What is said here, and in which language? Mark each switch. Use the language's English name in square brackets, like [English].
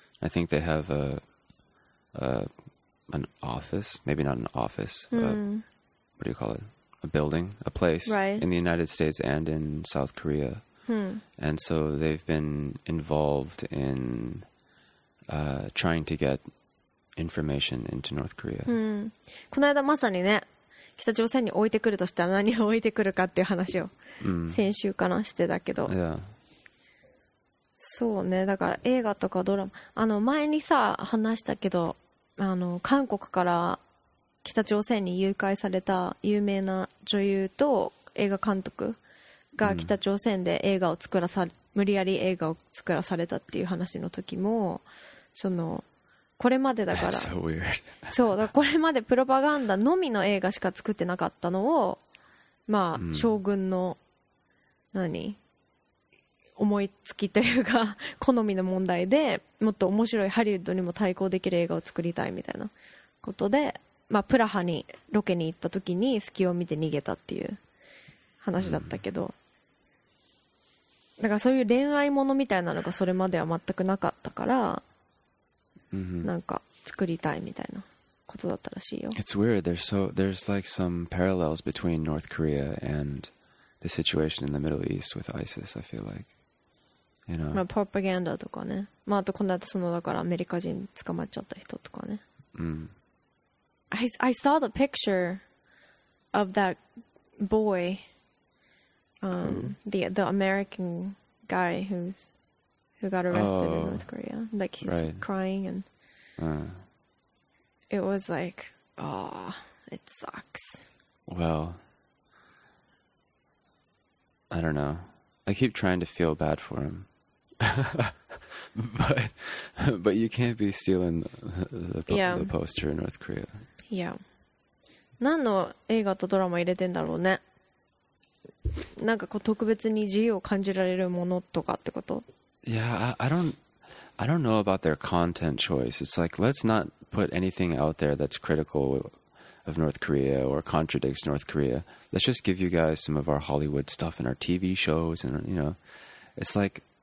[English] I think they have an office, maybe not an office. What do you call it? A building, a place in the United States and in South Korea. And so they've been involved in trying to get information into North Korea. [Japanese] この間まさにね。北朝鮮に置いてくるとしたら何を置いてくるかっていう話を先週かなしてたけど、そうね、だから映画とかドラマ、あの前にさ話したけど、あの韓国から北朝鮮に誘拐された有名な女優と映画監督が北朝鮮で映画を作らさ、無理やり映画を作らされたっていう話の時も、そのこれまでだから。 [English] That's so weird. [Japanese] そう、だからこれまでプロパガンダのみの映画しか作ってなかったのを、まあ、将軍の、何? 思いつきというか好みの問題でもっと面白いハリウッドにも対抗できる映画を作りたいみたいなことで、まあ、プラハにロケに行った時に隙を見て逃げたっていう話だったけど、うん、だからそういう恋愛ものみたいなのがそれまでは全くなかったから、うん、なんか作りたいみたいなことだったらしいよ。 [English] It's weird. There's, so, there's like some parallels between North Korea and the situation in the Middle East with ISIS, I feel like. You know. [Japanese] まあ、プロパガンダとかね、まあ、あとこの後そのだからアメリカ人捕まっちゃった人とかね、 [English] I saw the picture of that boy、the American guy who got arrested、in North Korea like he's、right. crying and、it was like oh it sucks well I don't know I keep trying to feel bad for himBut you can't be stealing the poster in North Korea. Yeah. [Japanese] 何の映画とドラマ入れてんだろうね。なんかこう特別に自由を感じられるものとかってこと? [English] Yeah, I don't know about their content choice. It's like, let's not put anything out there that's critical of North Korea or contradicts North Korea. Let's just give you guys some of our Hollywood stuff and our TV shows and, you know, it's like...